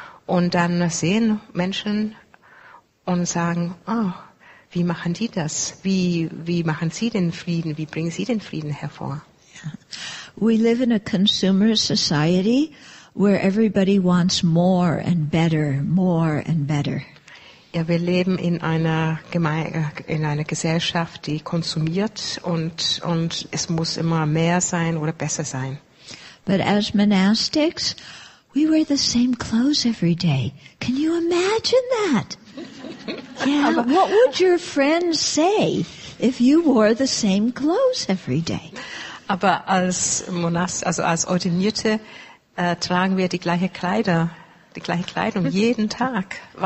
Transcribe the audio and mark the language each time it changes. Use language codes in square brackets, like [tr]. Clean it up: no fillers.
[de] Und dann sehen Menschen und sagen, oh, wie machen die das? Wie machen sie den Frieden? Wie bringen sie den Frieden hervor? [en] We live in a consumer society where everybody wants more and better, more and better. [de] Ja, wir leben in einer Gesellschaft, die konsumiert und es muss immer mehr sein oder besser sein. [en] But as monastics, we wear the same clothes every day. Can you imagine that? Yeah, what would your friends say if you wore the same clothes every day? [de] Aber als Ordinierte tragen wir die gleiche Kleidung jeden Tag.